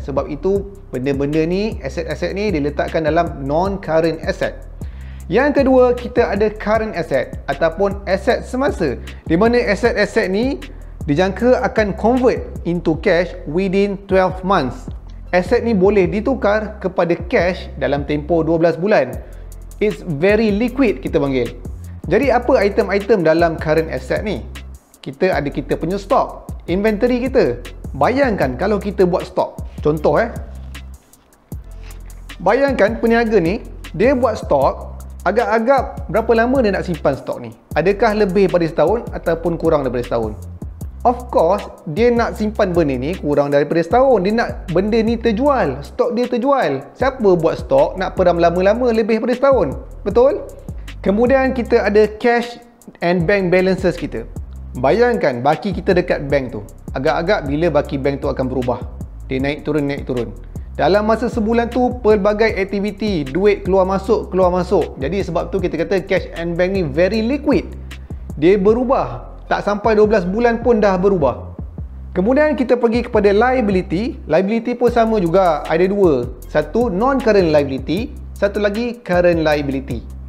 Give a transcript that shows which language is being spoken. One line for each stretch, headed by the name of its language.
Malay: Sebab itu, benda-benda ni, aset-aset ni diletakkan dalam non-current asset. Yang kedua, kita ada current asset ataupun aset semasa, di mana aset-aset ni dijangka akan
English: convert into cash within 12 months.
Malay: Aset ni boleh ditukar kepada cash dalam tempoh 12 bulan.
English: It's very liquid
Malay: kita panggil. Jadi apa item-item dalam current asset ni? Kita ada kita punya stock, inventory kita. Bayangkan kalau kita buat stock. Contoh bayangkan peniaga ni, dia buat stock. Agak-agak berapa lama dia nak simpan stok ni? Adakah lebih daripada setahun ataupun kurang daripada setahun?
English: Of course,
Malay: dia nak simpan benda ni kurang daripada setahun. Dia nak benda ni terjual. Stok dia terjual. Siapa buat stok nak peram lama-lama lebih daripada setahun? Betul? Kemudian kita ada cash and bank balances kita. Bayangkan baki kita dekat bank tu. Agak-agak bila baki bank tu akan berubah? Dia naik turun-naik turun. Dalam masa sebulan tu, pelbagai aktiviti, duit keluar masuk. Jadi sebab tu kita kata cash and bank ni
English: very liquid.
Malay: Dia berubah. Tak sampai 12 bulan pun dah berubah. Kemudian kita pergi kepada liability. Liability pun sama juga. Ada dua. Satu non-current liability. Satu lagi current liability.